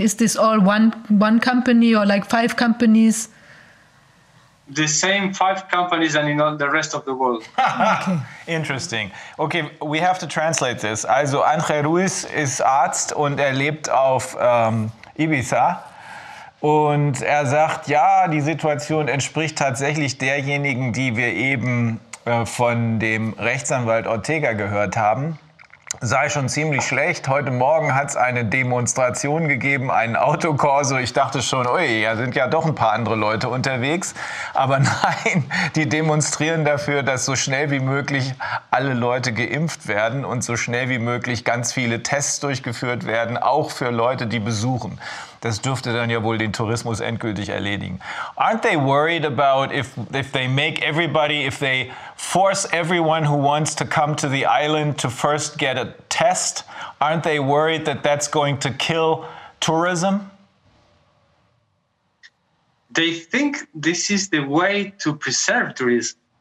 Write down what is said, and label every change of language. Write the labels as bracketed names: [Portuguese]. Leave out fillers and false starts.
[English] Is this all one company or like five companies? The same five companies and in all the rest of the world. Okay. Interesting. Okay, we have to translate this. [German] Also, André Ruiz ist Arzt und er lebt auf Ibiza. Und er sagt, ja, die Situation entspricht tatsächlich derjenigen, die wir eben von dem Rechtsanwalt Ortega gehört haben. Sei schon ziemlich schlecht. Heute Morgen hat es eine Demonstration gegeben, einen Autokorso. Ich dachte schon, ui, da sind ja doch ein paar andere Leute unterwegs. Aber nein, die demonstrieren dafür, dass so schnell wie möglich alle Leute geimpft werden und so schnell wie möglich ganz viele Tests durchgeführt werden, auch für Leute, die besuchen. Das dürfte dann ja wohl den Tourismus endgültig erledigen. [English] Aren't they worried about if they make everybody, if they force everyone who wants to come to the island to first get a test, aren't they worried that that's going to kill tourism? They think this is the way to preserve tourism.